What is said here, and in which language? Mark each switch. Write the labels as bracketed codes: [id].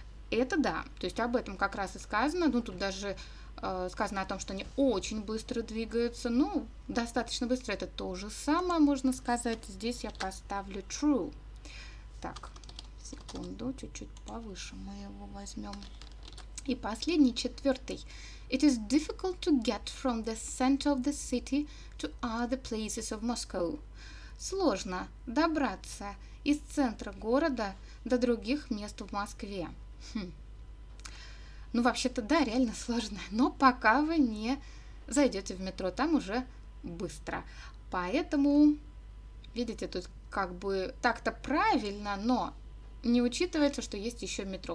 [ru] Это да, то есть об этом как раз и сказано. Ну, тут даже сказано о том, что они очень быстро двигаются. Ну, достаточно быстро, это то же самое, можно сказать. Здесь я поставлю true. Так, секунду, чуть-чуть повыше мы его возьмем. И последний, четвертый. [en] It is difficult to get from the center of the city to other places of Moscow. [ru] Сложно добраться из центра города до других мест в Москве. Ну, вообще-то, да, реально сложно. Но пока вы не зайдете в метро, там уже быстро. Поэтому, видите, тут как бы так-то правильно, но не учитывается, что есть еще метро.